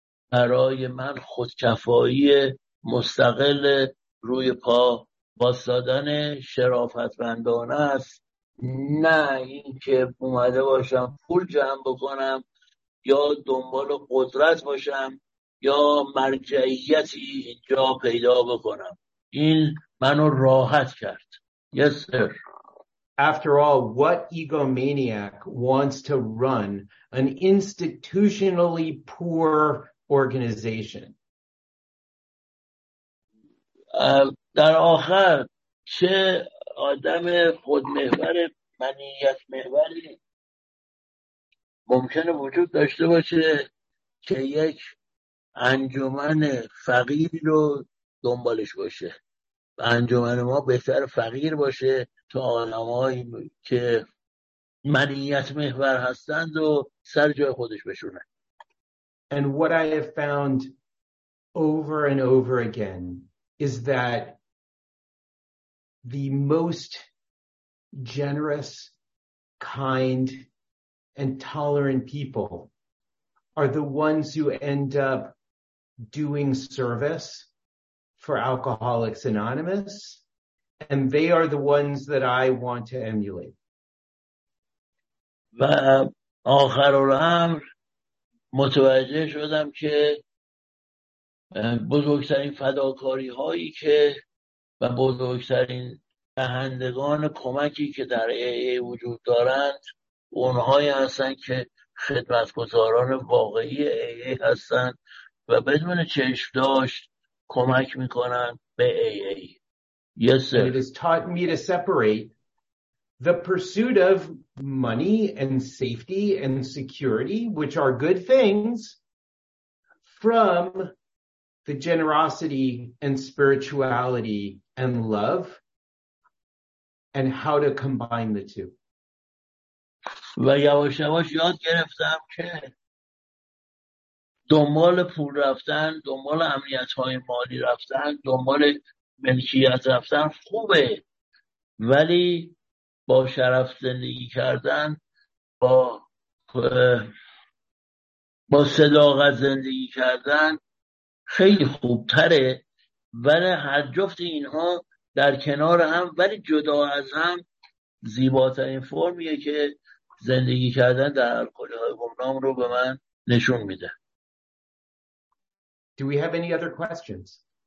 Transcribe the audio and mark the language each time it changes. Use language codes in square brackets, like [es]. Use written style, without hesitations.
[fa] برای من خودکفایی مستقل روی پا بایستادن شرافتمندانه است، نه اینکه اومده باشم پول جمع بکنم یا دنبال قدرت باشم یا مرجعیتی اینجا پیدا بکنم. این منو راحت کرد. [en] Yes, sir. After all, what egomaniac wants to run an institutionally poor organization? [fa] در آخر چه آدم خودمحور منیت محوری ممکنه وجود داشته باشه که یک انجمن فقیری رو دنبالش باشه؟ انجمن ما بهتر فقیر باشه تا آدمایی که منیت محور هستند و سر جای خودش بشونه. [en] And what I have found over and over again is that the most generous, kind and tolerant people are the ones who end up doing service for Alcoholics Anonymous, and they are the ones that I want to emulate. [fa] و آخر الامر متوجه شدم که بزرگترین فداکاری هایی که و بزرگترین دهندگان کمکی که در AA وجود دارند اونهایی هستند که خدمتگزاران واقعی AA هستند و بدون چشم داشت کمک میکنن به AA. [en] Yes, sir. It has taught me to separate the pursuit of money and safety and security, which are good things, from the generosity and spirituality and love, and how to combine the two. [fa] و یواش یواش یاد گرفتم که دنبال پول رفتن، دنبال امنیت‌های مالی رفتن، دنبال ملکیت رفتن خوبه، ولی با شرف زندگی کردن، با صداقت زندگی کردن خیلی خوبتره. ولی هر جفت اینها در کنار هم ولی جدا از هم زیباترین فرمیه که زندگی کردن در الکلی‌های گمنام رو به من نشون میده. [en] Do we have any other questions?